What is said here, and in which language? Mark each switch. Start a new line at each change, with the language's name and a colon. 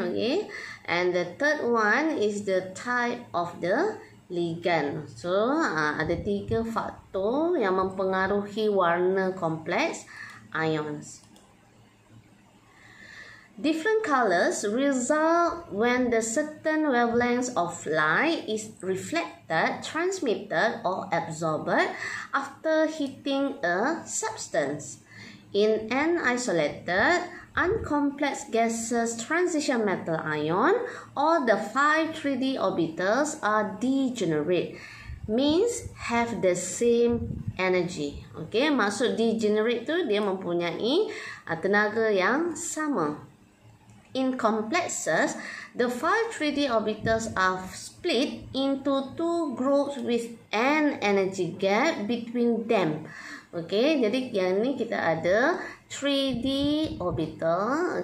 English: Okay, and the third one is the type of the ligand.
Malay: So ada tiga faktor yang mempengaruhi warna kompleks ions.
English: Different colors result when the certain wavelengths of light is reflected, transmitted or absorbed after heating a substance. In an isolated, uncomplex gaseous transition metal ion, all the 5 3D orbitals are degenerate, means have the same energy.
Malay: Okay, maksud degenerate tu dia mempunyai tenaga yang sama.
English: In complexes, the 5 3D orbitals are split into two groups with an energy gap between them.
Malay: Okay, jadi yang ni kita ada 3D orbital.